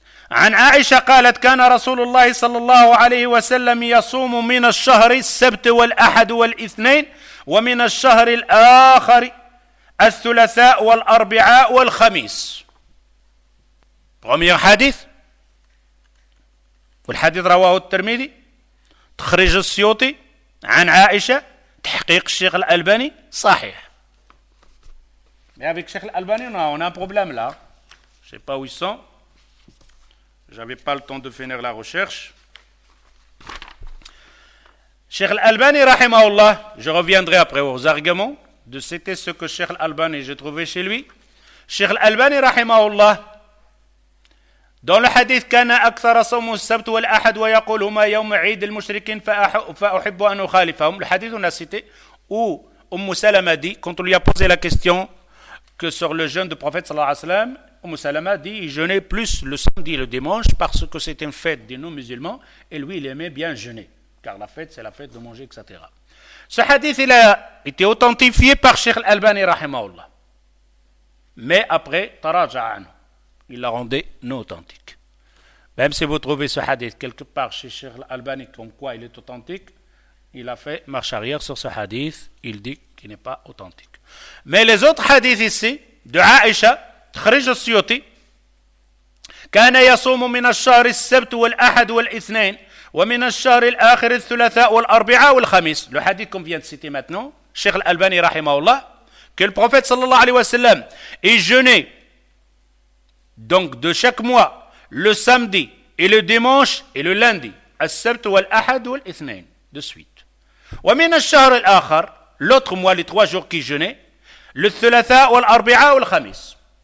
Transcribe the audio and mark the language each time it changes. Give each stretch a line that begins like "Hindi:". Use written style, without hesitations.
Arabic: عن عائشة قالت كان رسول الله صلى الله عليه وسلم يصوم من الشهر السبت والأحد والاثنين ومن الشهر الآخر الثلاثاء والأربعاء والخميس.
French: Premier hadith.
Arabic: والحديث رواه الترمذي تخريج السيوطي عن عائشة تحقيق الشيخ الألباني صحيح.
French: Mais avec Cheikh Al-Albani, on a un problème là. Je sais pas où ils sont. J'avais pas le temps de finir la recherche. Cheikh Al-Albani, rahimahullah, je reviendrai après aux arguments de citer ce que Cheikh Al-Albani j'ai trouvé chez lui. Cheikh Al-Albani, rahimahullah, dans le hadith,
Arabic: كان أكثر صوم السبت والأحد ويقول هما يوم عيد المشركين فأحب أن أخالفهم.
French: Le hadith, on a cité où Umm Salama a dit, quand on lui a posé la question que sur le jeûne du prophète sallallahu alayhi wa sallam, Umm Salama dit il jeûnait plus le samedi et le dimanche parce que c'est une fête des non-musulmans et lui il aimait bien jeûner car la fête c'est la fête de manger etc. Ce hadith il a été authentifié par Cheikh Al-Albani rahimahullah mais après Taraja'anu il l'a rendu non authentique. Même si vous trouvez ce hadith quelque part chez Cheikh Al-Albani comme quoi il est authentique, il a fait marche arrière sur ce hadith, il dit qu'il n'est pas authentique. Mais les autres hadiths ici de Aïcha
Arabic: تخرج السيوطي كان يصوم من الشهر السبت والأحد والاثنين ومن الشهر الآخر الثلاثاء والأربعاء والخميس.
French: Le hadith qu'on vient de citer maintenant, Cheikh Al-Albani rahimahullah, que le prophète sallallahu alayhi wa sallam est jeûné donc de chaque mois, le samedi et le dimanche et le lundi,
Arabic: al-sabt wal-ahad wal-ithnain,
French: de suite.
Arabic: ومن الشهر الآخر,
French: l'autre mois, les trois jours qu'il jeûnait, le
Arabic: thulatha wal-arbi'a wal-khamis.